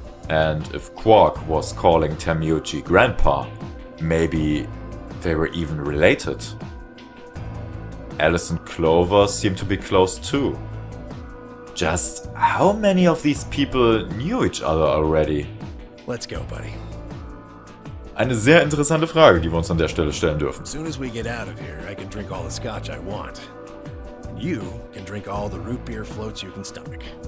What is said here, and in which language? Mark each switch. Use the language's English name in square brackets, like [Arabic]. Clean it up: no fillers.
[English] And if Quark was calling Temuji Grandpa, maybe they were even related. Alice and Clover seem to be close too. Just how many of these people knew each other already? Let's go, buddy. [German] Eine sehr interessante Frage, die wir uns an der Stelle stellen dürfen. [English] As soon as we get out of here, I can drink all the scotch I want. And you can drink all the root beer floats you can stomach.